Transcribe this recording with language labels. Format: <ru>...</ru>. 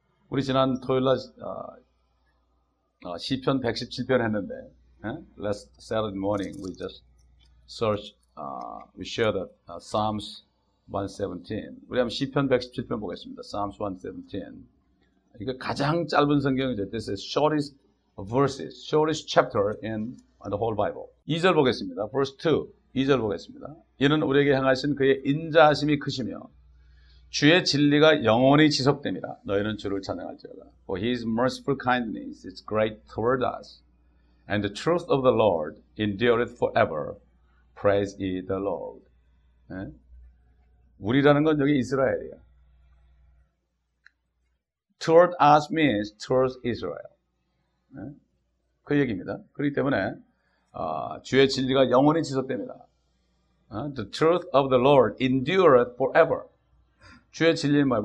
<ko>우리 지난 토요일날 시편 117편 했는데</ko> <en>Last Saturday morning we just shared Psalms 117.</en> <ko>우리 한번 시편 117편 보겠습니다.</ko> <en>Psalms 117.</en> <ko>이거 가장 짧은 성경이죠.</ko> <en>This is shortest verses, shortest chapter in the whole Bible.</en> <ko>2절 보겠습니다.</ko> <en>Verse 2.</en> <ko>2절 보겠습니다. 이는 우리에게 행하신 그의 인자하심이 크시며 주의 진리가 영원히 지속됩니다. 너희는 주를 찬양할지어다.</ko> <en>For his merciful kindness is great toward us, and the truth of the Lord endureth forever. Praise ye the Lord.</en> <ko>네? 우리라는 건 여기 이스라엘이야.</ko> <en>Toward us means towards Israel.</en> <ko>네? 그 얘기입니다. 그렇기 때문에 주의 진리가 영원히 지속됩니다.</ko> <en>The truth of the Lord endureth forever.</en> <ko>주의 진리는 뭐예요?</ko>